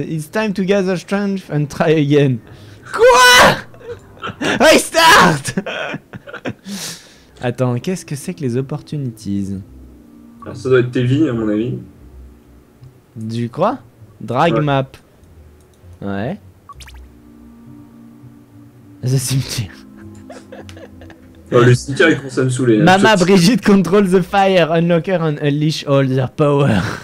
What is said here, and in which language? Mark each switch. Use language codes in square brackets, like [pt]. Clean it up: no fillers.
[en] It's time to gather strength and try again! [fr] Quoi? Restart! Attends, qu'est-ce que c'est que les opportunities? Alors ça doit être tes vies, à mon avis. Du quoi? Drag ouais. Map. Ouais. The cimetière. Oh, le cimetière, il commence à me saouler. [en] Mama hein, Brigitte control the fire, unlock her and unleash all their power.